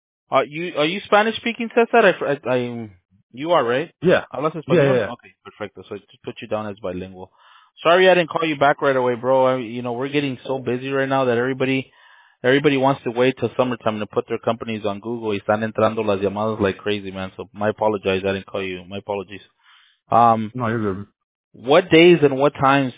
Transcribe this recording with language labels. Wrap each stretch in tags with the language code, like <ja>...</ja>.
<en>Are you Spanish-speaking, Cesar? You are, right? Yeah.</en> <es>Hablas español?</es> <en>Yeah.</en> <es>Okay, perfecto.</es> <en>So I just put you down as bilingual. Sorry I didn't call you back right away, bro. We're getting so busy right now that everybody wants to wait till summertime to put their companies on Google.</en> <es>Están entrando las llamadas</es> <en>like crazy, man. So my apologies. I didn't call you. My apologies. No, you're good. What days and what times?</en>